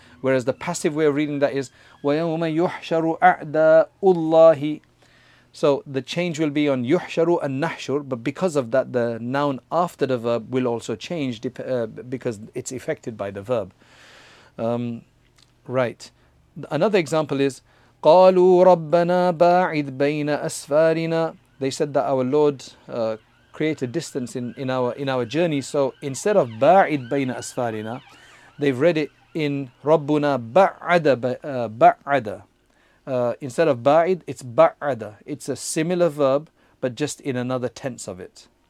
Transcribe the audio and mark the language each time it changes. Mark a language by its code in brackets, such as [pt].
[en] Whereas the passive way of reading that is [ar] وَيَوْمَ يُحْشَرُ أَعْدَى اللَّهِ. [en] So the change will be on يُحْشَرُ and نَحْشُرُ, but because of that, the noun after the verb will also change because it's affected by the verb. Right. Another example is [ar] قَالُوا رَبَّنَا بَاعِدْ بَيْنَ أَسْفَارِنَا. [en] They said that our Lord created distance in our journey. So instead of [ar] ba'id bayna asfarina, [en] they've read it in [ar] Rabbuna ba'ada ba'ada. [en] Instead of ba'id, it's ba'ada. It's a similar verb, but just in another tense of it.